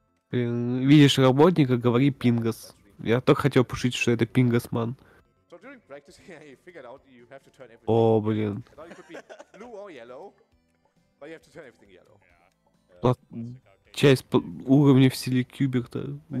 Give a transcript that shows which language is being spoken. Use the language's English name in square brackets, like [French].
[Russian] Блин, видишь работника, говори Пингас. Я только хотел пошутить, что это Пингасман. [English] So during practice, yeah, you figured out you have to turn everything. [Russian] О, блин. [English] Blue or yellow, but you have to turn everything yellow. [Russian] Часть уровня в стиле Кьюберта.